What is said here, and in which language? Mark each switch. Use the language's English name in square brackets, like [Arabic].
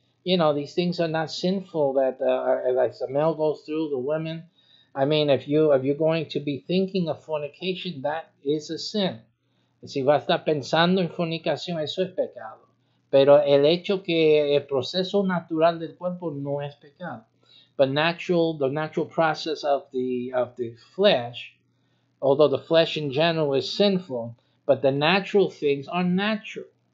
[English] You know, these things are not sinful that like the male goes through, the women. I mean, if you're going to be thinking of fornication, that is a sin. [Spanish] Si va a estar pensando en fornicación, eso es pecado. Pero el hecho que el proceso natural del cuerpo no es pecado. [English] But the natural process of the flesh, although the flesh in general is sinful, but the natural things are natural.